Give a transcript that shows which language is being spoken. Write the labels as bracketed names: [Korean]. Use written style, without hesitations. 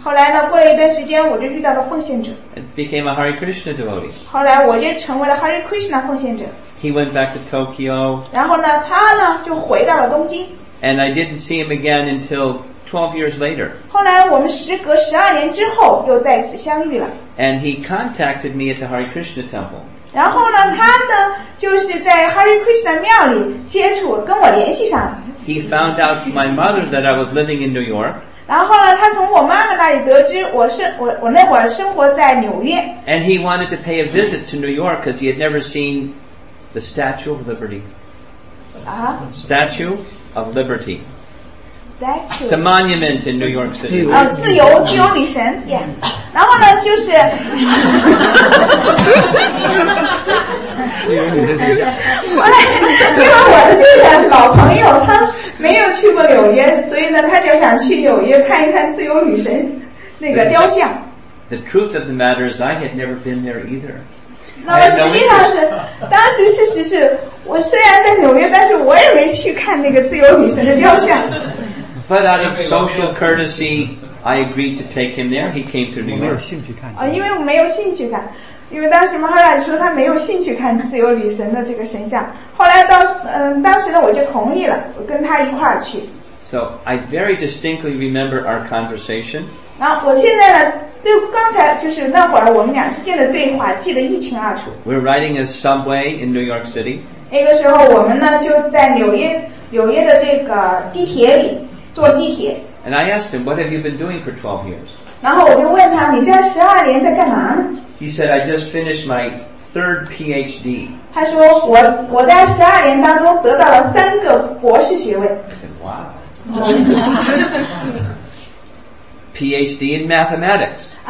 [Chinese] 后来呢过了一段时间我就遇到了奉献者 [English] And became a Hare Krishna devotee. [Chinese] 后来我就成为了 Hare Krishna 奉献者 [English] He went back to Tokyo. [Chinese] 然后呢他呢就回到了东京 [English] And I didn't see him again until 12 years later. [Chinese] 后来我们时隔十二年之后又再次相遇了。 [English] And he contacted me at the Hare Krishna temple. [Chinese] 然后呢，他呢就是在 Hare Krishna 庙里接触，跟我联系上了。 [English] He found out from my mother that I was living in New York. [Chinese] 然后呢，他从我妈妈那里得知我那会儿生活在纽约。 [English] And he wanted to pay a visit to New York because he had never seen the Statue of Liberty. Statue of Liberty. It's a monument in New York City. [Chinese] 自由，自由女神。Yeah. 然后呢，就是。自由女神。因为我的这个老朋友他没有去过纽约，所以呢，他就想去纽约看一看自由女神那个雕像。 [English] The truth of the matter is, I had never been there either. [Chinese] 那么实际上是，当时事实是我虽然在纽约，但是我也没去看那个自由女神的雕像。 [English] But out of social courtesy, I agreed to take him there. He came to New York. [Chinese] 因为我没有兴趣看，因为当时Maharaj说他没有兴趣看自由女神的这个神像。后来当时呢，我就同意了，我跟他一块儿去。 [English] So I very distinctly remember our conversation. [Chinese] 然后我现在呢，就刚才就是那会儿我们俩之间的对话，记得一清二楚。 [English] We're riding a subway in New York City. [Chinese] 那个时候我们呢就在纽约的这个地铁里。 [English] And I asked him, what have you been doing for 12 years? [Chinese] 然后我就问他，你这十二年在干嘛？ [English] He said, I just finished my third PhD. [Chinese] 他说我在十二年当中得到了三个博士学位。 [English] I said, wow. PhD in mathematics.